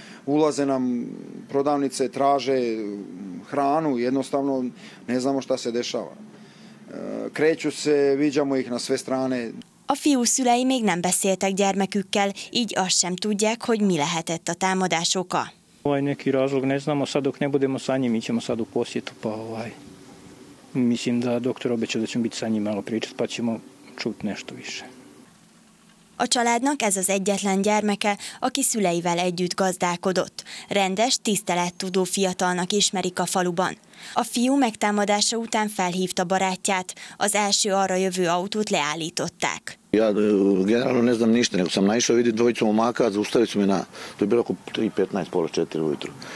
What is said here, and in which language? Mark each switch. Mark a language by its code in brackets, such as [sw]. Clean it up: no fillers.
[sr] Ulaze nam prodavnice, traže hranu, jednostavno ne znamo šta se dešava. Kreću se, vidjamo ih na sve strane. [hu] A fiú szülei még nem beszéltek gyermekükkel, így azt sem tudják, hogy mi lehetett a támadás oka. [sr] Ovaj neki razlog, ne znamo, sadok ne budemo sa njim, ićemo sad u posjetu, pa ovaj. Mislim da doktor obeća da ćemo biti sa njim malo pričat, pa ćemo čut nešto više. [hu] A családnak ez az egyetlen gyermeke, aki szüleivel együtt gazdálkodott. Rendes, tisztelettudó fiatalnak ismerik a faluban. A fiú megtámadása után felhívta barátját, az első arra jövő autót leállították. [sr] Ja, generálno ne znam ništa, nego sam naišao vidi dvojicu momaka, zaustavili su me na, to je bilo oko 3:15, pola 4 ujutru.